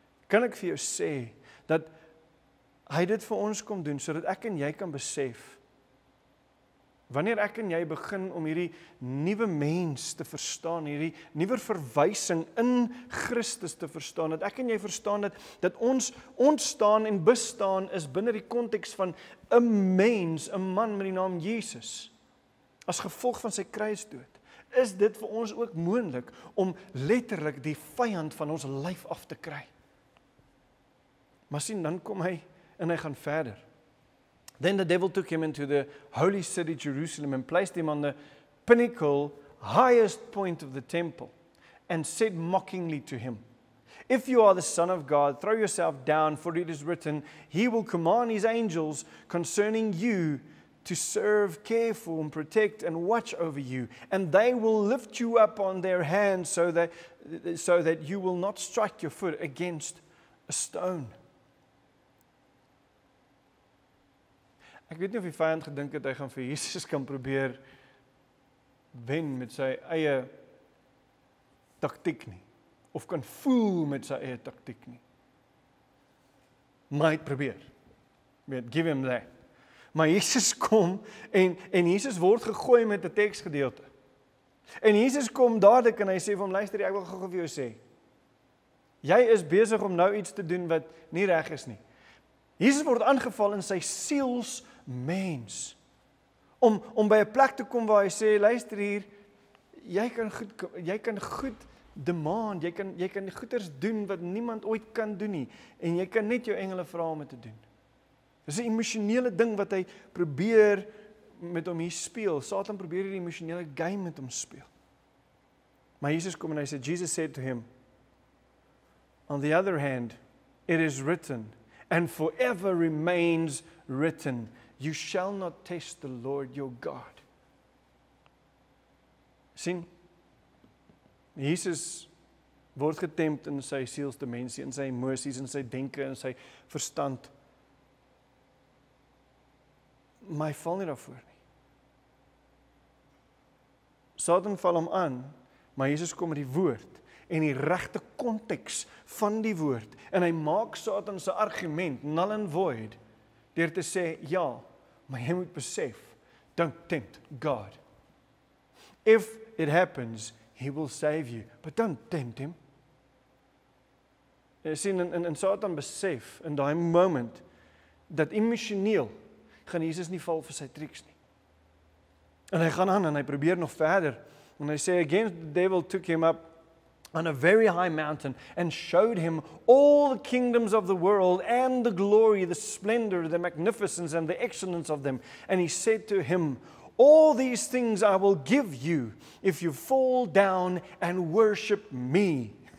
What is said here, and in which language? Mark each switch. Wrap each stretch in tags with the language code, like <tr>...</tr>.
<af>Kan ek vir jou sê dat hy dit vir ons kom doen, sodat ek en jy kan besef, wanneer ek en jy begin om hierdie nuwe mens te verstaan, hierdie nuwe verwysing in Christus te verstaan, dat ek en jy verstaan dat ons ontstaan en bestaan is binne die konteks van 'n mens, 'n man met die naam Jesus, as gevolg van sy kruisdood, is dit vir ons ook moontlik om letterlik die vyand van ons lyf af te kry. Maar sien, dan kom hy en hy gaan verder.</af> <en>Then the devil took him into the holy city Jerusalem and placed him on the pinnacle, highest point of the temple, and said mockingly to him, If you are the Son of God, throw yourself down, for it is written, He will command His angels concerning you to serve, care for, and protect, and watch over you, and they will lift you up on their hands so that you will not strike your foot against a stone.</en> <af>Ek weet nie of die vyand gedink het hy gaan vir Jesus kan probeer wen met sy eie taktiek nie. Of kan voel met sy eie taktiek nie. Maar hy het probeer.</af> <en>Give him that.</en> <af>Maar Jesus kom en Jesus word gegooi met die teksgedeelte. En Jesus kom dadelijk en hy sê vir hom, luister, ek wil gou vir jou sê. Jy is besig om nou iets te doen wat nie reg is nie. Jesus word aangeval in sy sielsmens. Om by 'n plek te kom waar hy sê, luister hier, jy kan goed demand, jy kan goeders doen wat niemand ooit kan doen nie. En jy kan net jou engele vra om te doen. Dit is 'n emosionele ding wat hy probeer met hom hier speel. Satan probeer hier die emosionele game met hom speel. Maar Jesus kom en hy sê,</af> <en>Jesus said to him, On the other hand, it is written, and forever remains written, you shall not test the Lord your God.</en> <af>Sien, Jesus word getempt in sy sielsdimensie, in sy emosies, in sy denke, in sy verstand. Maar hy val nie daarvoor nie. Satan val hom aan, maar Jesus kom met die woord, en die regte konteks van die woord, en hy maak Satan sy argument,</af> <en>null and void,</en> <af>deur te sê, ja, maar jy moet besef,</af> <en>don't tempt God. If it happens, he will save you, but don't tempt him.</en> <af>Jy sien, en Satan besef, in die moment, dat emotioneel, gaan Jesus nie val vir sy tricks nie. En hy gaan aan, en hy probeer nog verder, en hy sê,</af> <en>again the devil took him up, on a very high mountain, and showed him all the kingdoms of the world, and the glory, the splendor, the magnificence, and the excellence of them. And he said to him, All these things I will give you, if you fall down and worship me.</en>